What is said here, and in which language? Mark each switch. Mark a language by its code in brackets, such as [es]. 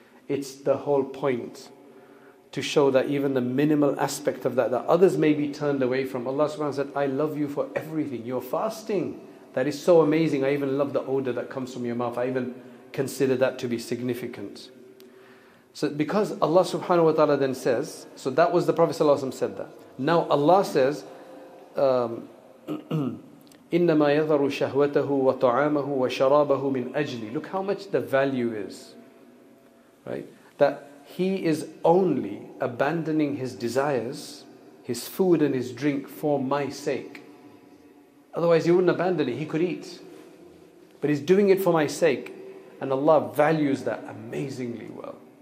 [en] It's the whole point, to show that even the minimal aspect of that others may be turned away from, Allah subhanahu wa ta'ala said, I love you for everything. You're fasting. That is so amazing. I even love the odor that comes from your mouth. I even consider that to be significant. So because Allah subhanahu wa ta'ala then says, so that was the Prophet sallallahu alaihi wasallam said that. Now Allah says, [ar] إِنَّمَا يَذَرُ شَهْوَتَهُ وَطَعَامَهُ وَشَرَابَهُ مِنْ أَجْلِي. [en] Look how much the value is. Right? That He is only abandoning His desires, His food and His drink, for my sake. Otherwise He wouldn't abandon it, He could eat. But He's doing it for my sake. And Allah values that amazingly well.